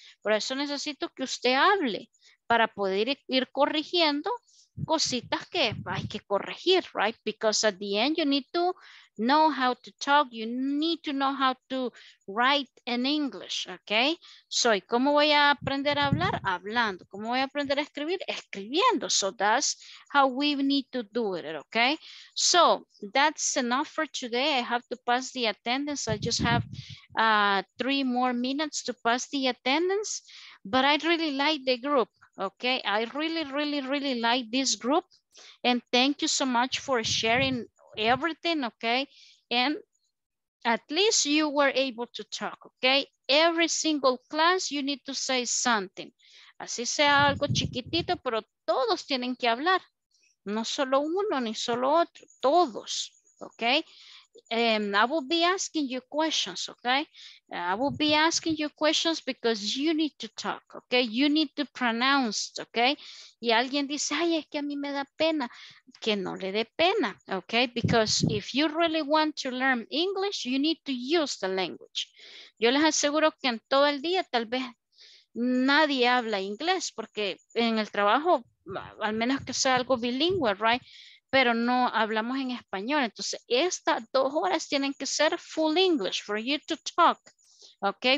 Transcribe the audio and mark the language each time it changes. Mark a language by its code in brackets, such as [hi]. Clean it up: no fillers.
[es] Por eso necesito que usted hable para poder ir corrigiendo cositas que hay que corregir, [en] right? Because at the end, you need to know how to talk, you need to know how to write in English, okay? [es] So, ¿y cómo voy a aprender a hablar? Hablando. ¿Cómo voy a aprender a escribir? Escribiendo. [en] So, that's how we need to do it, okay? So, that's enough for today. I have to pass the attendance. I just have 3 more minutes to pass the attendance, but I really like the group. Okay, I really, really, really like this group. And thank you so much for sharing everything, okay? And at least you were able to talk, okay? Every single class, you need to say something. [es] Así sea algo chiquitito, pero todos tienen que hablar. No solo uno, ni solo otro, todos, okay? [en] And I will be asking you questions, okay? I will be asking you questions because you need to talk, okay? You need to pronounce, okay? [es] Y alguien dice, ay, es que a mí me da pena. Que no le dé pena, okay? [en] Because if you really want to learn English, you need to use the language. [es] Yo les aseguro que en todo el día tal vez nadie habla inglés porque en el trabajo, al menos que sea algo bilingüe, right? Pero no hablamos en español. Entonces, estas 2 horas tienen que ser [en] full English for you to talk, [es] okay?